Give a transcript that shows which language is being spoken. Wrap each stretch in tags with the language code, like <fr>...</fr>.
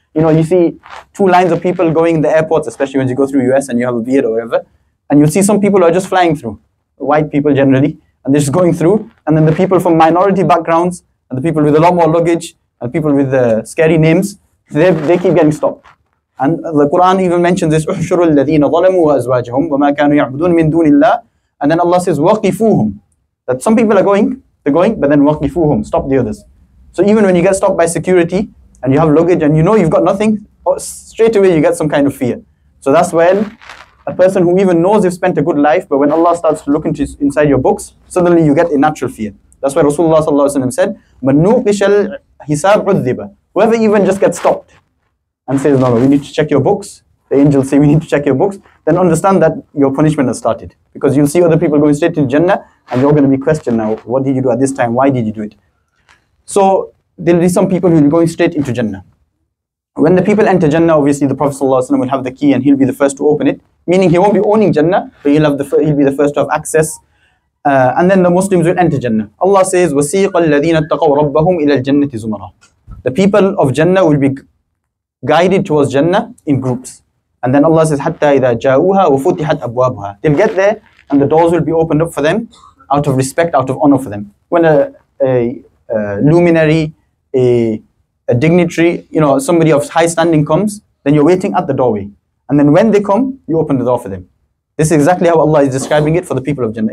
<en>You know, you see two lines of people going in the airports, especially when you go through US and you have a beard or whatever. And you'll see some people who are just flying through, white people generally, and they're just going through. And then the people from minority backgrounds, and the people with a lot more luggage, and people with the scary names, they keep getting stopped. And the Quran even mentions this,</en> <ar>أُحْشُرُ الَّذِينَ ظَلَمُوا وَأَزْوَاجَهُمْ وَمَا كَانُوا يَعْبُدُونَ مِن دُونِ اللَّهِ.</ar> <en>And then Allah says, وَقِفُوهُمْ. That some people are going, they're going, but then وَقِفُوهُمْ, stop the others. So even when you get stopped by security, and you have luggage, and you know you've got nothing, straight away you get some kind of fear. So that's when a person who even knows you've spent a good life, but when Allah starts to look inside your books, suddenly you get a natural fear. That's why Rasulullah sallallahu alaihi wasallam said,</en> <ar>مَن نُوقِشَ الْحِسَابُ عُذِّبَ.</ar> <en>Whoever even just gets stopped and says, no, we need to check your books. The angels say, we need to check your books. Then understand that your punishment has started. Because you'll see other people going straight to Jannah, and you're going to be questioned now. What did you do at this time? Why did you do it? So there'll be some people who'll be going straight into Jannah. When the people enter Jannah, obviously the Prophet ﷺ will have the key, and he'll be the first to open it. meaning he won't be owning Jannah, but he'll have the he'll be the first to have access. And then the Muslims will enter Jannah. Allah says,</en> <ar>وَسِيقَ الَّذِينَ اتَّقَوْ رَبَّهُمْ إِلَى الْجَنَّةِ زُمَرًا.</ar> <en>The people of Jannah will be guided towards Jannah in groups. And then Allah says,</en> <ar>حَتَّى إِذَا جَاءُوهَا وَفُتِحَتْ أَبْوَابُهَا.</ar> <en>They'll get there and the doors will be opened up for them out of respect, out of honor for them. When a luminary, a dignitary, you know, somebody of high standing comes, then you're waiting at the doorway. And then when they come, you open the door for them. This is exactly how Allah is describing it for the people of Jannah.</en>